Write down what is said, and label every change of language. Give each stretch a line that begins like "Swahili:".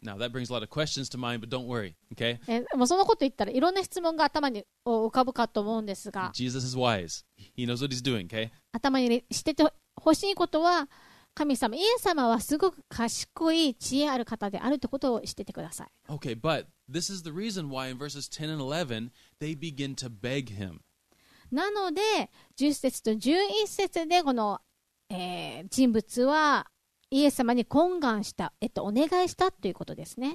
English: Now that brings a lot of questions to mind, but don't worry, okay?
Japanese: もうそのこと言ったらいろんな質問が頭に浮かぶかと思うんですが、
English: Jesus is wise. He knows what he's doing, okay?
Japanese: 頭にしててほしいことは神様、イエス様はすごく賢い知恵ある方であるということを知っててください。
English: Okay, but this is the reason why in verses 10 and 11 they begin to beg him.
Japanese: なので10節と11節でこの、人物はイエス様に懇願した、お願いしたということですね。